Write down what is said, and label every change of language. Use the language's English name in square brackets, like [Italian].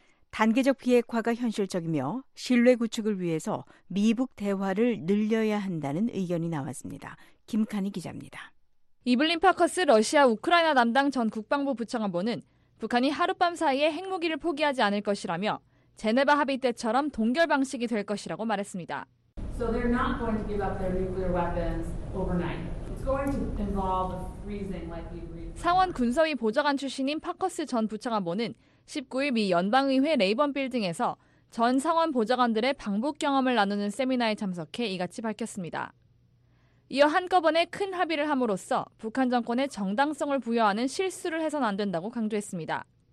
[Korean] 단계적 비핵화가 현실적이며 신뢰 구축을 위해서 미북 대화를 늘려야 한다는 의견이 나왔습니다. 김카니 기자입니다. 이블린 파커스 러시아 우크라이나 담당 전 국방부 부처관보는 북한이 하룻밤 사이에 핵무기를 포기하지 않을 것이라며 제네바 합의 때처럼 동결 방식이 될 것이라고 말했습니다. [English] So they're not going to give up their nuclear weapons overnight. It's going to involve freezing like we agreed. [Korean] 상원 군사위 보좌관 출신인 파커스 전 부처관보는 19일 미 연방의회 레이번 빌딩에서 전 상원 보좌관들의 방북 경험을 나누는 세미나에 참석해 이같이 밝혔습니다. 이어 한꺼번에 큰 합의를 함으로써 북한 정권의 정당성을 부여하는 실수를 해서는 안 된다고 강조했습니다.